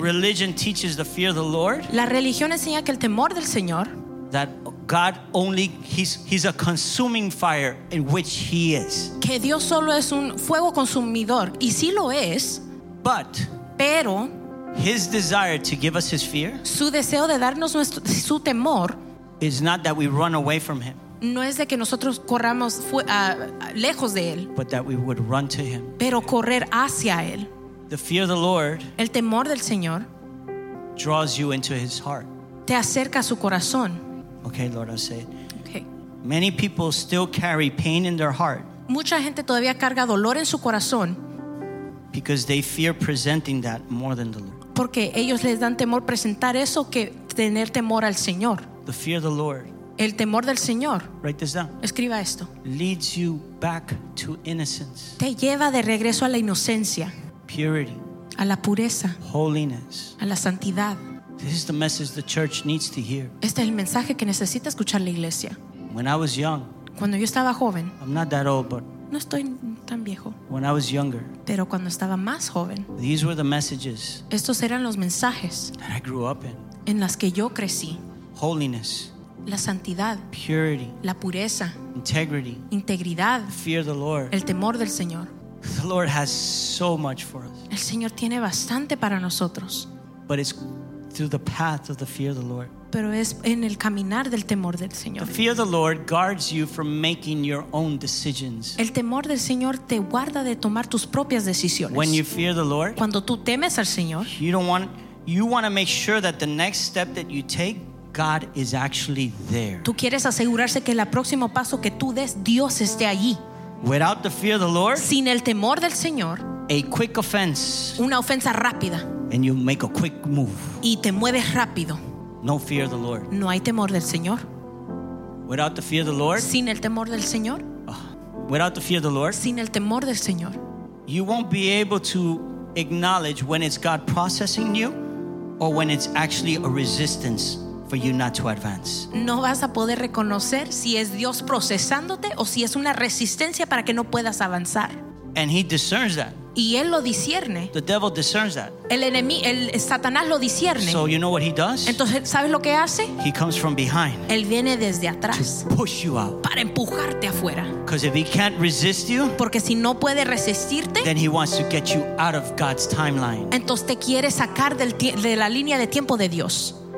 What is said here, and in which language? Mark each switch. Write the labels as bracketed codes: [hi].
[en] Religion teaches the fear of the Lord. [es] La religión enseña que el temor del Señor, [en] that God only he's a consuming fire in which he is. [es] Que Dios solo es un fuego consumidor y sí lo es. [en] But [es] pero [en] his desire to give us his fear, [es] su deseo de darnos nuestro su temor, [en] is not that we run away from him. [es] No es de que nosotros corramos lejos de él. [en] But that we would run to him. [es] Pero correr hacia él. [en] The fear of the Lord. [es] El temor del Señor. [en] Draws you into his heart. [es] Te acerca a su corazón. [en] Okay, Lord, I'll say it. Okay. Many people still carry pain in their heart. [es] Mucha gente todavía carga dolor en su corazón. [en] Because they fear presenting that more than the Lord. [es] Porque ellos les dan temor presentar eso que tener temor al Señor. [en] The fear of the Lord. [es] El temor del Señor. [en] Write this down. [es] Escriba esto. [en] Leads you back to innocence. [es] Te lleva de regreso a la inocencia. [en] Purity. [es] A la pureza. [en] Holiness. [es] A la santidad. [en] This is the message the church needs to hear. [es] Este es el mensaje que necesita escuchar la iglesia. [en] When I was young. [es] Cuando yo estaba joven. [en] I'm not that old, but. [es] No estoy tan viejo. [en] When I was younger. [es] Pero cuando estaba más joven. [en] These were the messages. [es] Estos eran los mensajes. [en] That I grew up in. [es] En las que yo crecí. [en] Holiness, [es] la santidad, [en] purity, [es] la pureza, [en] integrity, [es] integridad, [en] the fear of the Lord, [es] el temor del Señor. [en] The Lord has so much for us. [es] El Señor tiene bastante para nosotros. [en] But it's through the path of the fear of the Lord. [es] Pero es en el caminar del temor del Señor. [en] The fear of the Lord guards you from making your own decisions. [es] El temor del Señor te guarda de tomar tus propias decisiones. [en] When you fear the Lord, [es] cuando tú temes al Señor, [en] you want to make sure that the next step that you take, God is actually there. [es] Tú quieres asegurarse que el próximo paso que tú des, Dios esté allí. [en] Without the fear of the Lord, [es] sin el temor del Señor, [en] a quick offense, [es] una ofensa rápida, [en] and you make a quick move, [es] y te mueves rápido. [en] No fear of the Lord. [es] No hay temor del Señor. [en] Without the fear of the Lord, [es] sin el temor del Señor, [en] without the fear of the Lord, [es] sin el temor del Señor, [en] you won't be able to acknowledge when it's God processing you. or when it's actually a resistance for you not to advance. [es] No vas a poder reconocer si es Dios procesándote o si es una resistencia para que no puedas avanzar. [en] And he discerns that. [es] Y él lo discierne. [en] The devil discerns that. [es] El Satanás lo discierne. [en] So you know what he does? [es] Entonces, ¿sabes lo que hace? [en] He comes from behind. [es] Él viene desde atrás. [en] To push you out. [es] Para empujarte afuera. [en] Because if he can't resist you, [es] porque si no puede resistirte, [en] then he wants to get you out of God's timeline. [es] Entonces te quiere sacar de la línea de tiempo de Dios.